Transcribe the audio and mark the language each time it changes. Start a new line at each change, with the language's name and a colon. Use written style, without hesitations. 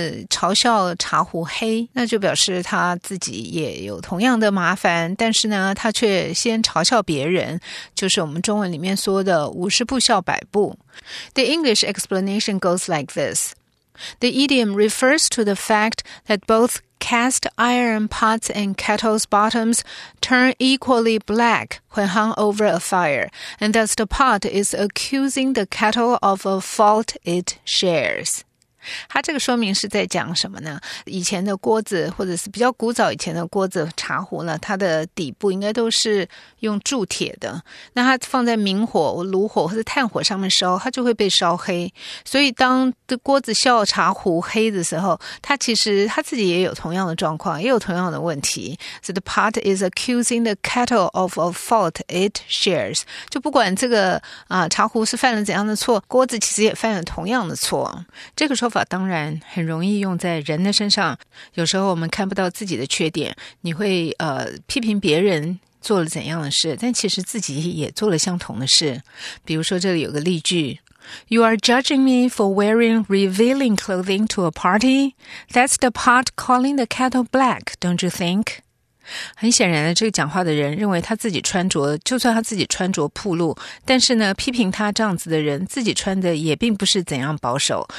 Chinese: 这锅子嘲笑茶壶黑, 那就表示他自己也有同样的麻烦, 但是呢,他却先嘲笑别人, 就是我们中文里面说的五十步笑百步.
English: The English explanation goes like this. The idiom refers to the fact that both cast iron pots and kettles' bottoms turn equally black when hung over a fire, and thus the pot is accusing the kettle of a fault it shares.
Chinese: 它这个说明是在讲什么呢？以前的锅子或者是比较古早以前的锅子茶壶呢，它的底部应该都是用铸铁的。那它放在明火、炉火或者炭火上面烧，它就会被烧黑。所以当锅子笑茶壶黑的时候，它其实它自己也有同样的状况，也有同样的问题。
English: So the pot is accusing the kettle of a fault it shares.
Chinese: 就不管这个茶壶是犯了怎样的错，锅子其实也犯了同样的错。这个说法当然很容易用在人的身上，有时候我们看不到自己的缺点，你会批评别人做了怎样的事，但其实自己也做了相同的事。比如说这里有个例句，
English: You are judging me for wearing revealing clothing to a party? That's the pot calling the kettle black, don't you think?
Chinese: 很显然的，这个讲话的人认为他自己穿着，就算他自己穿着暴露，但是呢，批评他这样子的人，自己穿的也并不是怎样保守。